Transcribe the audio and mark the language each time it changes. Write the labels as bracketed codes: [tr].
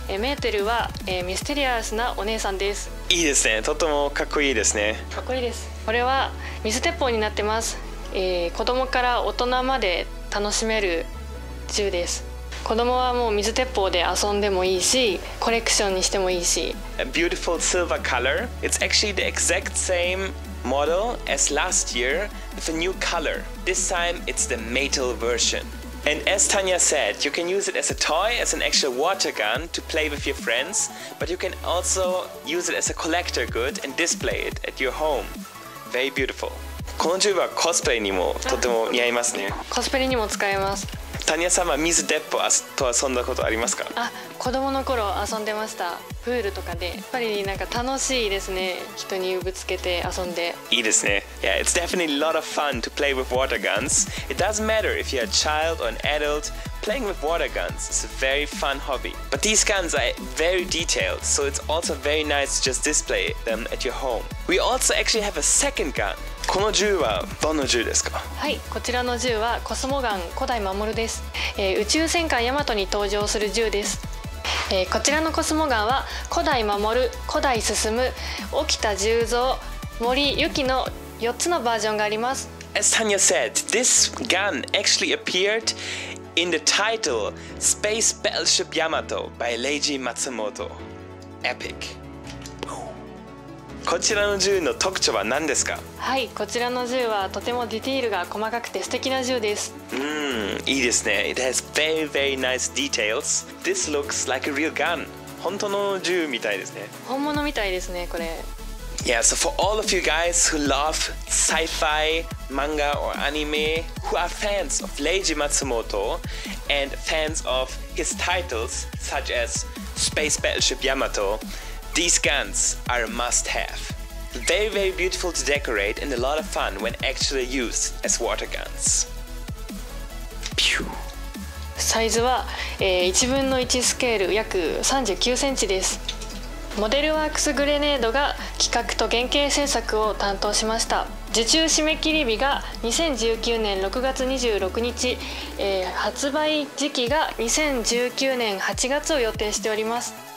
[ja] メーテルはミステリアスなお姉さんです。いいですね。とてもかっこいいですね。かっこいいです。これは水鉄砲になってます。子供から大人まで楽しめる銃です。子供はもう水鉄砲で遊んでもいいし、コレクションにしてもいいし。 [en] A beautiful silver color. It's actually the exact same model as last year with a new color. This time it's the Maetel version. And as Tanya said, you can use it as a toy, as an actual water gun to play with your friends, but you can also use it as a collector good and display it at your home. Very beautiful. [ja] この銃はコスプレにもとても似合いますね。コスプレにも使えます。タニア様、水鉄砲と遊んだことありますか？あ、子供の頃遊んでました。プールとかで。やっぱりなんか楽しいですね。人にぶつけて遊んで。いいですね。 [en] Yeah, it's definitely a lot of fun to play with water guns. It doesn't matter if you're a child or an adult. Playing with water guns is a very fun hobby. But these guns are very detailed, so it's also very nice to just display them at your home. We also actually have a second gun. [ja] この銃はどの銃ですか？はい、こちらの銃はコスモガン古代守です。宇宙戦艦ヤマトに登場する銃です。こちらのコスモガンは古代守、古代進む、沖田十三、森ゆきの4つのバージョンがあります。 [en] As Tanya said, this gun actually appeared in the title Space Battleship Yamato by Leiji Matsumoto. Epic. [ja] こちらの銃の特徴は何ですか？はい、こちらの銃はとてもディテールが細かくて素敵な銃です。いいですね。 [en] It has very very nice details. This looks like a real gun. [ja] 本当の銃みたいですね。本物みたいですね、これ。 [en] Yeah, so for all of you guys who love sci-fi, manga or anime, who are fans of Leiji Matsumoto and fans of his titles such as Space Battleship Yamato, these guns are a must-have. Very, very beautiful to decorate and a lot of fun when actually used as water guns. Pew! [ja] サイズは1分の1スケール、約39センチです。モデルワークスグレネードが企画と原型制作を担当しました。受注締め切り日が2019年6月26日、発売時期が2019年8月を予定しております。